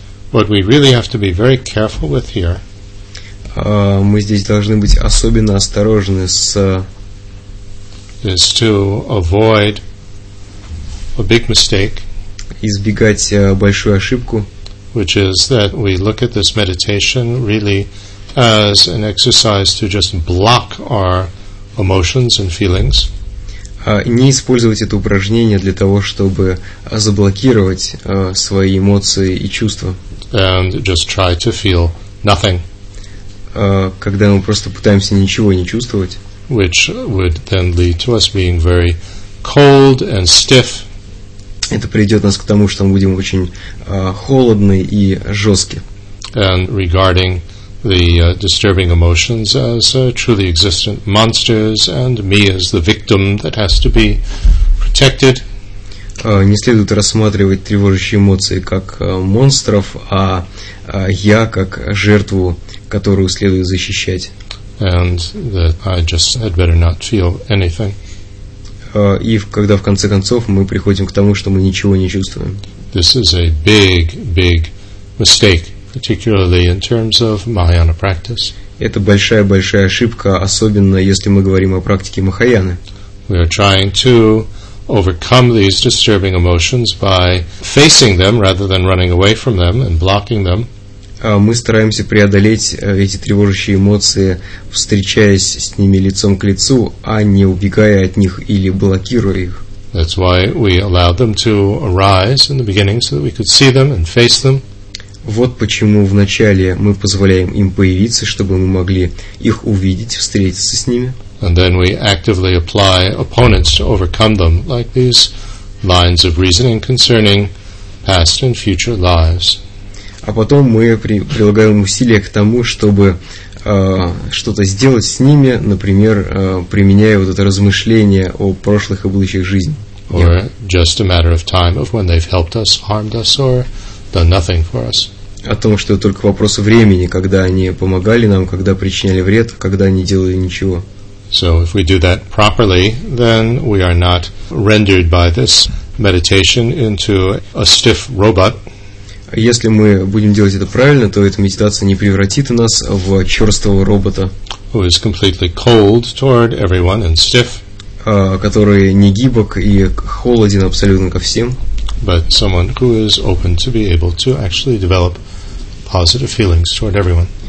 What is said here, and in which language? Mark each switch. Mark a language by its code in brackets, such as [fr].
[en] What we really have to be very careful with here. [ru] Мы здесь должны быть особенно осторожны с. [en] Is to avoid a big mistake. [ru] Избегать большую ошибку. [en] Which is that we look at this meditation really as an exercise to just block our emotions and feelings. [ru] Не использовать это упражнение для того, чтобы заблокировать свои эмоции и чувства. [en] And just try to feel nothing. [ru] Когда мы просто пытаемся ничего не чувствовать. [en] Which would then lead to us being very cold and stiff. [ru] Это приведет нас к тому, что мы будем очень холодны и жестки. [en] And regarding the disturbing emotions as truly existent monsters and me as the victim that has to be protected. [ru] Не следует рассматривать тревожащие эмоции как монстров, а я как жертву, которую следует защищать. [en] And that I just had better not feel anything. [ru] И когда в конце концов мы приходим к тому, что мы ничего не чувствуем. [en] This is a big, big mistake. Particularly in terms of Mahayana practice. [ru] Это большая-большая ошибка, особенно если мы говорим о практике Махаяны. [en] We are trying to overcome these disturbing emotions by facing them rather than running away from them and blocking them. [ru] Мы стараемся преодолеть эти тревожащие эмоции, встречаясь с ними лицом к лицу, а не убегая от них или блокируя их. [en] That's why we allowed them to arise in the beginning so that we could see them and face them. [ru] Вот почему вначале мы позволяем им появиться, чтобы мы могли их увидеть, встретиться с ними. [en] And then we actively apply opponents to overcome them, like these lines of reasoning concerning past and future lives. [ru] А потом мы прилагаем усилия к тому, чтобы что-то сделать с ними, например, применяя вот это размышление о прошлых и будущих жизнях. [en] Or just a matter of time of when they've helped us, harmed us, or done nothing for us. [ru] О том, что это только вопрос времени, когда они помогали нам, когда причиняли вред, когда они делали ничего. [en] So if we do that properly, then we are not rendered by this meditation into a stiff robot. [ru] Если мы будем делать это правильно, то эта медитация не превратит нас в чёрствого робота. [en] Who is completely cold toward everyone and stiff. [ru] Который не гибок и холоден абсолютно ко всем. [en] But someone who is open to be able to actually develop positive feelings toward everyone.